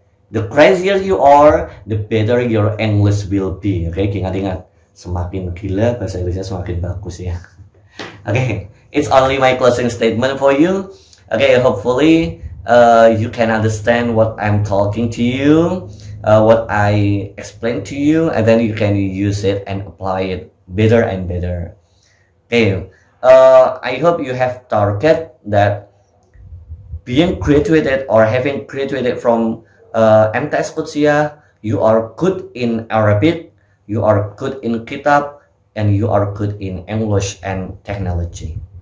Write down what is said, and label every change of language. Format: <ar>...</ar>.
<en>The crazier you are, the better your English will be.</en> <id>Oke, okay? Ingat-ingat. Semakin gila bahasa Inggrisnya semakin bagus ya.</id> <en>Oke, okay? It's only my closing statement for you. Oke, okay, hopefully you can understand what I'm talking to you, what I explain to you, and then you can use it and apply it better and better. Okay, I hope you have target that being graduated or having graduated from MTS Kutsia, you are good in Arabic, you are good in Kitab, and you are good in English and technology.</en>